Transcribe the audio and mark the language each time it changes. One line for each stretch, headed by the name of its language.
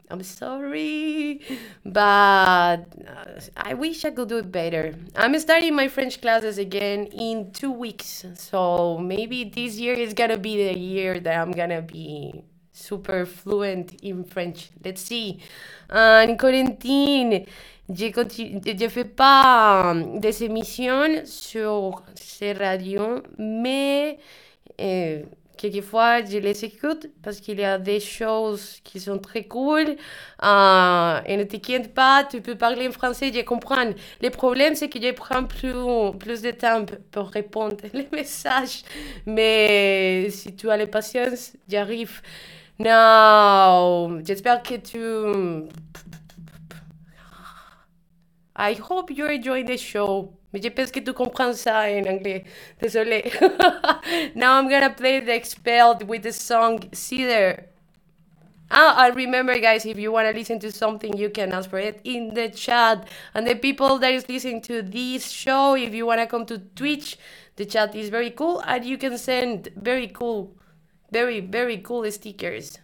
English: I'm sorry, but I wish I could do it better. I'm starting my French classes again in 2 weeks. So maybe this year is gonna be the year that I'm gonna be super fluent in French. Let's see. And quarantine.
French: J'ai fait pas des émissions sur ces radios, mais quelquefois je les écoute parce qu'il y a des choses qui sont très cool. Et ne t'inquiète pas, tu peux parler en français, je comprends. Le problème, c'est que je prends plus de temps pour répondre les messages, mais si tu as la patience, j'arrive. Now, j'espère que tu...
English: I hope you're enjoying the show.
French: Mais je pense que tu comprends ça en anglais. Désolé.
English: Now I'm gonna play The Expelled with the song Cedar. Ah, I remember, guys, if you wanna listen to something, you can ask for it in the chat. And the people that is listening to this show, if you wanna come to Twitch, the chat is very cool, and you can send very cool, very, very cool stickers.